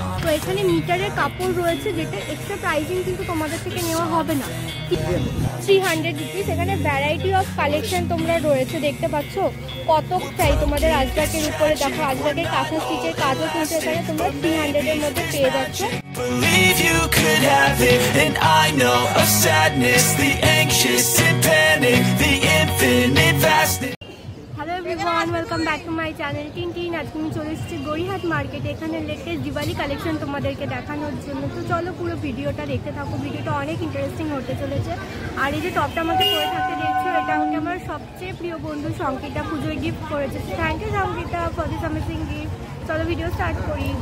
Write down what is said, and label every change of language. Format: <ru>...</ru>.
<bn>তো এখানে মিটারের কাপড় রয়েছে, যেটা এক্সট্রা প্রাইসিং কিন্তু তোমাদের থেকে নেওয়া হবে না, 300 rupees। এখানে ভ্যারাইটি অফ কালেকশন তোমরা রয়েছে দেখতে পাচ্ছ, কত চাই তোমাদের আজরাকের উপরে দেখো। আজরাকের কাঁথা স্টিচের কাজও কিন্তু এখানে তোমরা 300 এর মধ্যে পেয়ে যাচ্ছ।</bn> <en>Believe you could have it, and I know of sadness, the anxious and panic, the infinite vastness.</en> <bn>Welcome back to my channel Tintin. আজকে আমি চলে এসেছি গড়িহাট মার্কেটে, এখানে লেটেস্ট দিওয়ালি কালেকশন তোমাদেরকে দেখানোর জন্য। তো চলো পুরো ভিডিওটা দেখতে থাকো, ভিডিওটা অনেক ইন্টারেস্টিং হতে চলেছে। আর এই যে টপটা আমাকে পরে থাকতে দেখছো, এটা আমাকে আমার সবচেয়ে প্রিয় বন্ধু সংকিতা পুজোয় গিফট করেছে। Thank you সংকিতা for this amazing gift. চলো ভিডিও স্টার্ট করি।</bn>